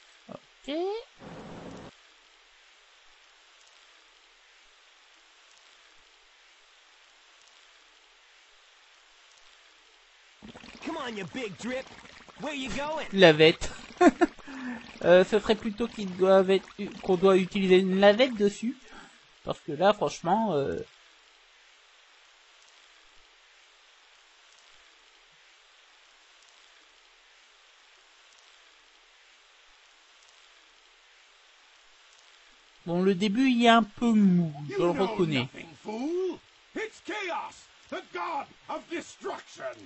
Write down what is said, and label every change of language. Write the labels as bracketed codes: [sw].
[en] Ok. Come on, you big drip. Where you going? [fr] La bête. ce serait plutôt qu'ils doivent être, qu'on doit utiliser une navette dessus. Parce que là, franchement, bon, le début il est un peu mou, je le reconnais. [en] It's Chaos, the god of destruction.